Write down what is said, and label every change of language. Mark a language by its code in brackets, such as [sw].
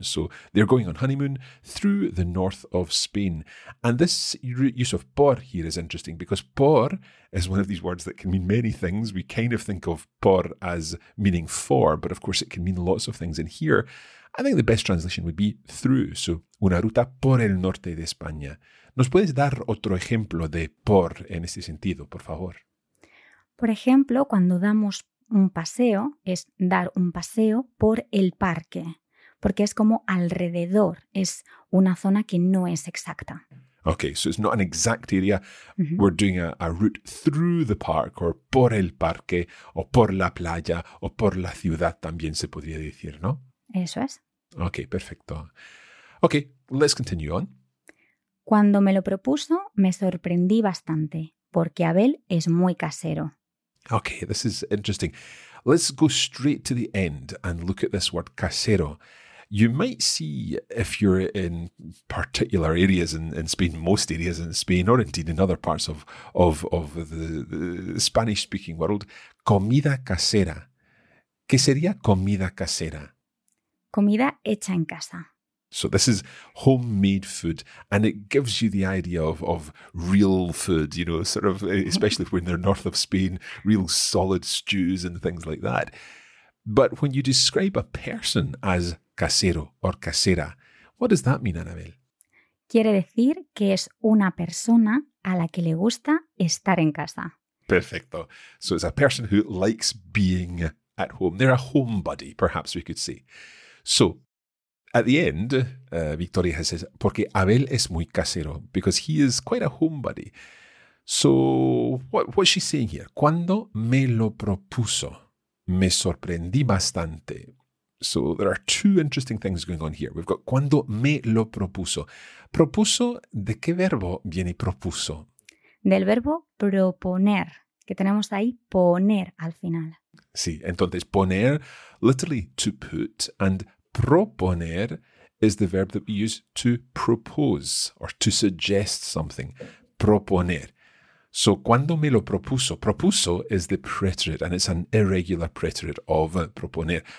[en] So they're going on honeymoon through the north of Spain. And this use of por here is interesting because por is one of these words that can mean many things. We kind of think of por as meaning for, but of course it can mean lots of things. And here, I think the best translation would be through. [es] So una ruta por el norte de España. ¿Nos puedes dar otro ejemplo de por en este sentido, por favor? Por ejemplo, cuando damos un paseo es dar un paseo por el parque, porque es como alrededor, es una zona que no es exacta. [en] Okay, so it's not an exact area. Mm-hmm. We're doing a route through the park, or [es] por el parque, o por la playa, o por la ciudad también se podría decir, ¿no? Eso es. [en] Okay, perfecto. Okay, let's continue on. [es] Cuando me lo propuso, me sorprendí bastante, porque Abel es muy casero. [en] Okay, this is interesting. Let's go straight to the end and look at this word casero. You might see, if you're in particular areas in Spain, most areas in Spain, or indeed in other parts of the Spanish-speaking world, comida casera. [es] ¿Qué sería comida casera? Comida hecha en casa. [en] So this is homemade food, and it gives you the idea of real food, you know, sort of, especially when they're north of Spain, real solid stews and things like that. But when you describe a person as casero or casera, what does that mean, Anabel? [es] Quiere decir que es una persona a la que le gusta estar en casa. Perfecto. [en] So it's a person who likes being at home. They're a homebody, perhaps we could say. So at the end, Victoria has said, [es] porque Abel es muy casero, [en] because he is quite a homebody. So what's she saying here? [es] Cuando me lo propuso, me sorprendí bastante. [en] So there are two interesting things going on here. We've got [es] cuando me lo propuso. Propuso, ¿de qué verbo viene propuso? Del verbo proponer, que tenemos ahí poner al final. [en] Sí, entonces poner, literally to put, and proponer is the verb that we use to propose or to suggest something. Proponer. So [es] cuando me lo propuso, [en] propuso is the preterite and it's an irregular preterite of proponer.